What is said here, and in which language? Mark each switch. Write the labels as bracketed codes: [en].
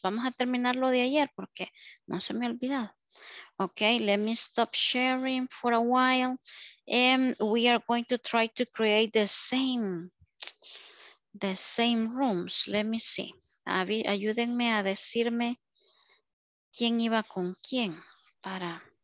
[es] Vamos a terminar lo de ayer porque no se me ha olvidado. [en] Okay, let me stop sharing for a while. And we are going to try to create the same rooms. Let me see. [es] Ayúdenme a decirme quién iba con quién para...